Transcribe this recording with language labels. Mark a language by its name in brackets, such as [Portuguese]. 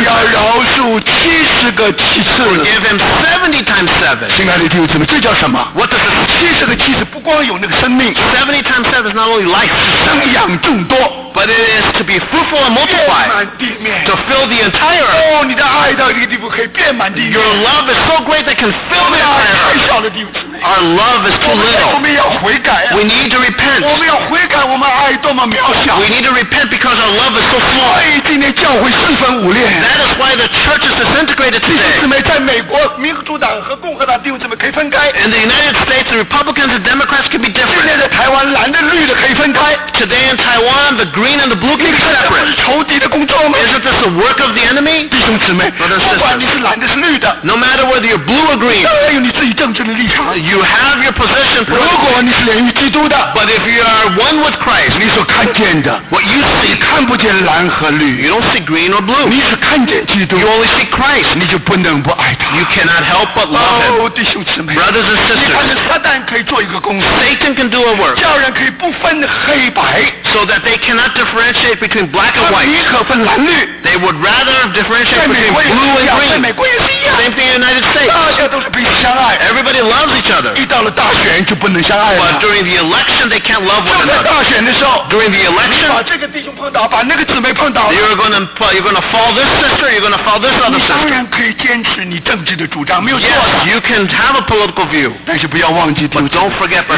[English] times. [Chinese] 要饶恕七十个七次。 [English] Forgive him 70 times 7. [Chinese] 亲爱的弟兄姊妹，这叫什么？ [English] What does this? [Chinese] 七十个七次不光有那个生命。 [English] 70 times 7 is not only life. [Chinese] 生养众多。 [English] But it is to be fruitful and multiply. To fill the entire earth. [Chinese] 你的爱到一个地步可以遍满地。 [English] Your love is so great that can fill the entire earth. [Chinese] 太小了，弟兄姊妹。 [English] Our love is too little. [Chinese] 我们要悔改。 [English] We need to repent. [Chinese] 我们要悔改，我们爱多么渺小。 [English] We need to repent because our love is so small. [Chinese] 所以今天教会四分五裂。 [English] That is why the church is disintegrated today. [Chinese] 弟兄姊妹，在美国，民主党和共和党弟兄姊妹可以分开。 [English] In the United States, the Republicans and Democrats can be different. [Chinese] 现在在台湾，蓝的绿的可以分开。 [English] Today in Taiwan, the green and the blue can be separate. Isn't this the work of the enemy? [Chinese] 弟兄姊妹，不管你是蓝的是绿的。 [English] No matter whether you're blue or green. [Chinese] 当然有你自己政治的立场。 [English] You have your position. [Chinese] 如果你是连于基督的。 [English] But if you are one with Christ. [Chinese] 你所看见的。 [English] What you see. [Chinese] 你看不见蓝和绿。 [English] You don't see green or blue. [Chinese] 你是看见基督。 [English] You only see Christ. [Chinese] 你就不能不爱他。 [English] You cannot help but love him. [Chinese] 弟兄姊妹。 [English] Brothers and sisters. [Chinese] 你看这撒旦可以做一个工作。 [English] Satan can do a work. [Chinese] 叫人可以不分黑白。 [English] So that they cannot differentiate between black and white. [Chinese] 他宁可分蓝绿。 [English] They would rather differentiate between blue and green. [Chinese] 在美国也是一样。 [English] Same thing in the United States. [Chinese] 大家都是彼此相爱。 [English] Everybody loves each other. [Chinese] 一到了大选就不能相爱了。 [English] But during the election, they can't love one another. [Chinese] 就在大选的时候。 [English] During the election. [Chinese] 把这个弟兄碰倒，把那个姊妹碰倒。 [English] You're gonna fall this sister. You're gonna fall this other sister. [Chinese] 你当然可以坚持你政治的主张，没有错的。 [English] Yes, you can have a political view. [Chinese] 但是不要忘记。 [English] But don't forget, brothers.